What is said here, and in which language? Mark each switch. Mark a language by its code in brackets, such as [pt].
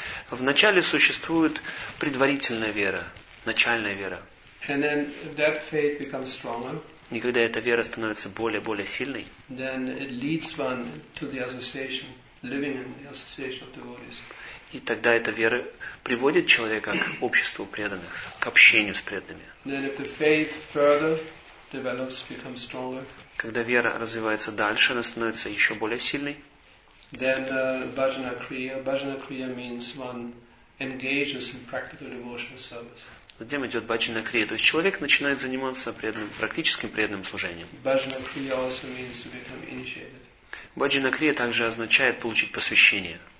[ru] В начале существует предварительная вера, начальная вера. [en] And then that faith becomes stronger. [ru] И когда эта вера становится более и более сильной, [en] then it leads one to the association, living in the association of devotees. [ru] И тогда эта вера приводит человека к обществу преданных, к общению с преданными. [en] Then if the faith further develops, becomes stronger. [ru] Когда вера развивается дальше, она становится еще более сильной. [en] Then bhajana kriya means one engages in practical devotional service. [ru] Затем идет баджана крия, то есть человек начинает заниматься преданным, практическим преданным служением. Баджана крия также означает получить посвящение.